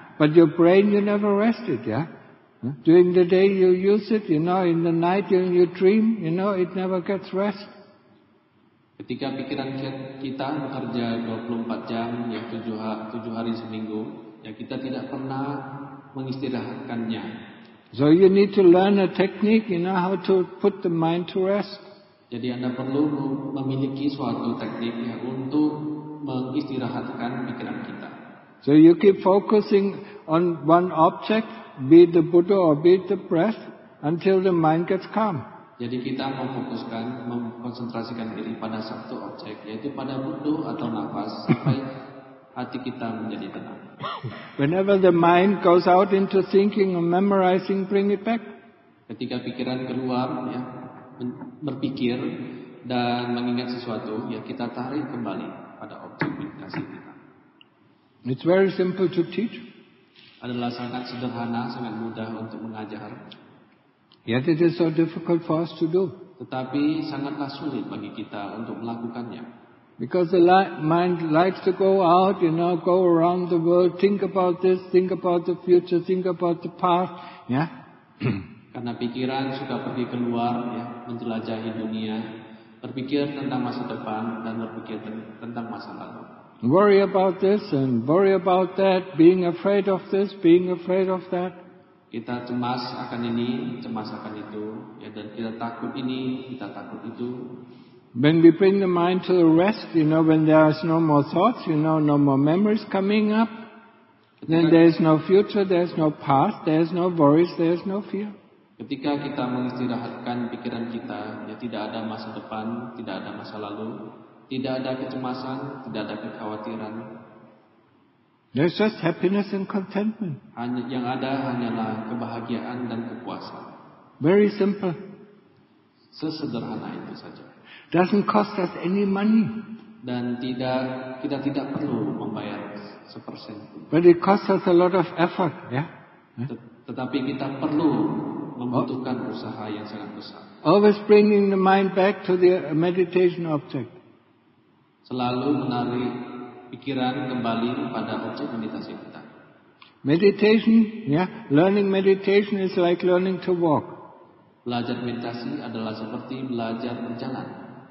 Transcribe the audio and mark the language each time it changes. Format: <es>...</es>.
<en>But your brain, you never rest it, yeah? During the day you use it, you know, in the night when you dream, you know, it never gets rest.</en> <id>Ketika pikiran kita bekerja 24 jam, ya 7 hari seminggu, ya kita tidak pernah mengistirahatkannya.</id> <en>So you need to learn a technique, you know, how to put the mind to rest.</en> <id>Jadi Anda perlu memiliki suatu teknik ya untuk mengistirahatkan pikiran kita.</id> <en>So you keep focusing on one object, be it the Buddha or be it the breath, until the mind gets calm.</en> <id>Jadi kita memfokuskan, mengkonsentrasikan diri pada satu objek, yaitu pada Buddha atau nafas, sampai hati kita menjadi tenang.</id> <en>Whenever the mind goes out into thinking or memorizing, bring it back.</en> <id>Ketika pikiran keluar, ya, berpikir dan mengingat sesuatu, ya kita tarik kembali pada objek meditasi kita.</id> <en>It's very simple to teach.</en> <id>Adalah sangat sederhana, sangat mudah untuk mengajar.</id> <en>Yet it is so difficult for us to do.</en> <id>Tetapi sangatlah sulit bagi kita untuk melakukannya.</id> <en>Because the mind likes to go out, you know, go around the world, think about this, think about the future, think about the past, yeah.</en> <id>Karena pikiran suka pergi keluar, ya, menjelajahi dunia, berpikir tentang masa depan dan berpikir tentang masa lalu.</id> <en>Worry about this and worry about that, being afraid of this, being afraid of that.</en> <id>Kita cemas akan ini, cemas akan itu, ya, dan kita takut ini, kita takut itu.</id> <en>When we bring the mind to the rest, you know, when there is no more thoughts, you know, no more memories coming up, then there is no future, there is no past, there is no worries, there is no fear.</en> <id>Ketika kita mengistirahatkan pikiran kita, ya, tidak ada masa depan, tidak ada masa lalu, tidak ada kecemasan, tidak ada kekhawatiran.</id> <en>There's just happiness and contentment.</en> <id>Yang ada hanyalah kebahagiaan dan kepuasan.</id> <en>Very simple.</en> <id>Sesederhana itu saja.</id> <en>Doesn't cost us any money.</en> <id>Dan tidak, kita tidak perlu membayar sepersen.</id> <en>But it costs us a lot of effort, yeah.</en> <id>Tetapi kita perlu membutuhkan usaha yang sangat besar.</id> <en>Always bringing the mind back to the meditation object.</en> <id>Selalu menarik pikiran kembali pada objek meditasi kita.</id> <en>Meditation, yeah. Learning meditation is like learning to walk.</en> <id>Belajar meditasi adalah seperti belajar berjalan.</id>